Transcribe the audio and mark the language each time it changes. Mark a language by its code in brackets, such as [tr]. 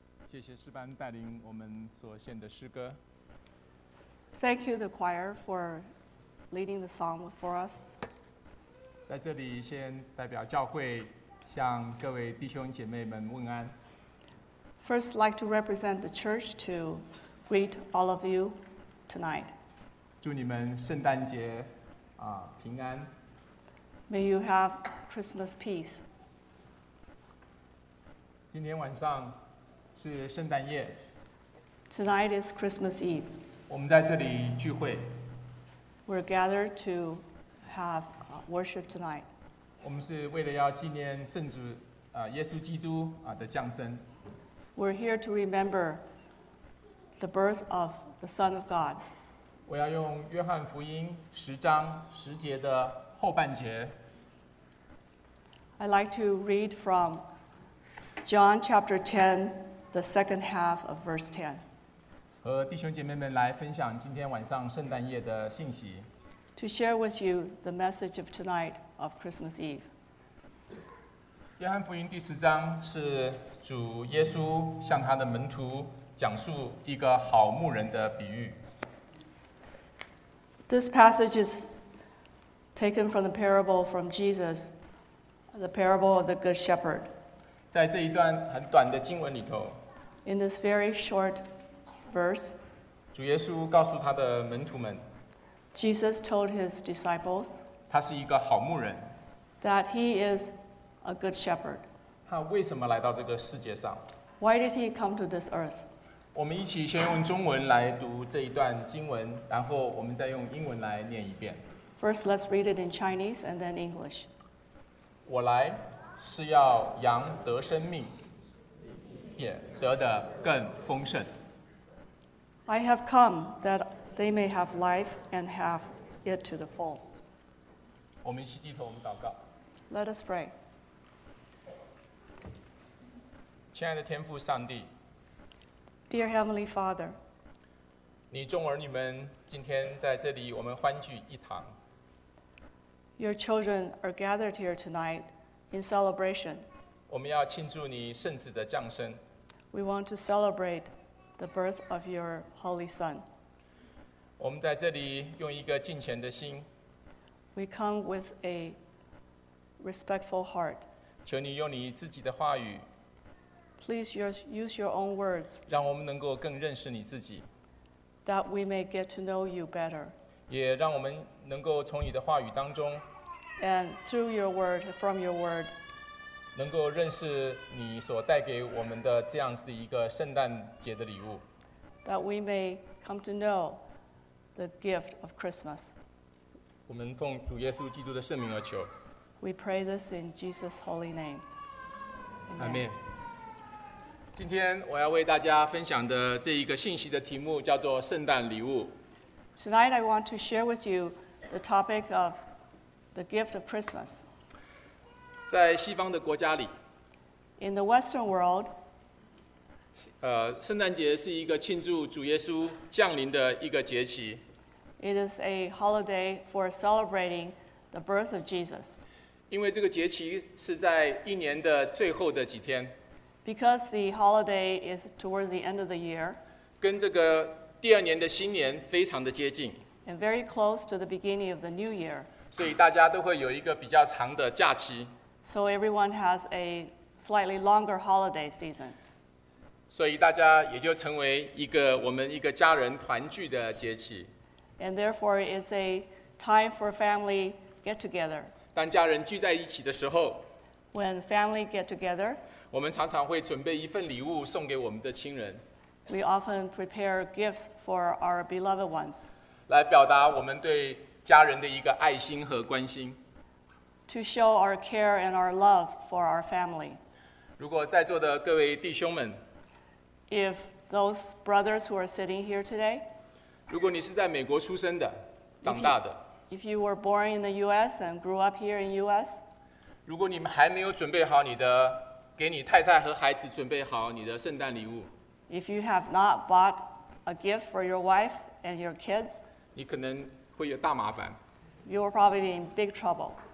[zh] 谢谢师班带领我们所献的诗歌。 [en] Thank you, the choir, for leading the song for us. [zh] 在这里先代表教会向各位弟兄姐妹们问安。 [en] First, I'd like to represent the church to greet all of you tonight. [zh] 祝你们圣诞节啊平安。 [en] May you have Christmas peace. [zh] 今天晚上是圣诞夜。 [en] Tonight is Christmas Eve. [zh] 我们在这里聚会。 [en] We're gathered to have worship tonight. [zh] 我们是为了要纪念圣主耶稣基督的降生。 [en] We're here to remember the birth of the Son of God. [zh] 我要用约翰福音十章十节的后半节。 [en] I'd like to read from John chapter 10, the second half of verse 10. [zh] 和弟兄姐妹们来分享今天晚上圣诞夜的信息。 [en] To share with you the message of tonight of Christmas Eve. [zh] 约翰福音第十章是主耶稣向他的门徒讲述一个好牧人的比喻。 [en] This passage is taken from the parable from Jesus, the parable of the Good Shepherd. [zh] 在这一段很短的经文里头， [en] In this very short verse, [zh] 主耶稣告诉他的门徒们， [en] Jesus told his disciples, [zh] 他是一个好牧人， [en] that he is a good shepherd. [zh] 他为什么来到这个世界上？ [en] Why did he come to this earth? [zh] 我们一起先用中文来读这一段经文，然后我们再用英文来念一遍。 [en] First, let's read it in Chinese and then English. [zh] 我来是要羊得生命，也得的更丰盛。 [en] I have come that they may have life and have it to the full. [zh] 我们一起低头，我们祷告。 [en] Let us pray. [zh] 亲爱的天父上帝， [en] Dear Heavenly Father, [zh] 你众儿女们今天在这里，我们欢聚一堂。 [en] Your children are gathered here tonight in celebration. [zh] 我们要庆祝你圣子的降生。 [en] We want to celebrate the birth of your Holy Son. [zh] 我们在这里用一个敬虔的心。 [en] We come with a respectful heart. [zh] 求你用你自己的话语。 [en] Please use your own words. [zh] 让我们能够更认识你自己。 [en] That we may get to know you better. [zh] 也让我们能够从你的话语当中， [en] and through your word, from your word, [zh] 能够认识你所带给我们的这样子的一个圣诞节的礼物， [en] that we may come to know the gift of Christmas. [zh] 我们奉主耶稣基督的圣名而求。 [en] We pray this in Jesus' holy name. Amen. [zh] 今天我要为大家分享的这一个信息的题目叫做圣诞礼物。 [en] Tonight I want to share with you the topic of the gift of Christmas. [zh] 在西方的国家里， [en] In the Western world, [zh] 圣诞节是一个庆祝主耶稣降临的一个节期。 [en] It is a holiday for celebrating the birth of Jesus. [zh] 因为这个节期是在一年的最后的几天。 [en] Because the holiday is towards the end of the year. [zh] 跟这个第二年的新年非常的接近， [en] and very close to the beginning of the new year. [zh] 所以大家都会有一个比较长的假期。 [en] So everyone has a slightly longer holiday season. [zh] 所以大家也就成为一个我们一个家人团聚的节期。 [en] And therefore it's a time for family get together. [zh] 当家人聚在一起的时候， [en] when family get together, [zh] 我们常常会准备一份礼物送给我们的亲人。 [en] We often prepare gifts for our beloved ones. [zh] 来表达我们对家人的一个爱心和关心。 [en] To show our care and our love for our family. [zh] 如果在座的各位弟兄们， [en] If those brothers who are sitting here today, [zh] 如果你是在美国出生的，长大的， [en] If you were born in the U.S. and grew up here in U.S. [zh] 如果你们还没有准备好你的，给你太太和孩子准备好你的圣诞礼物。 [en] If you have not bought a gift for your wife and your kids, [zh] 你可能会有大麻烦。 [en] You will probably be in big trouble.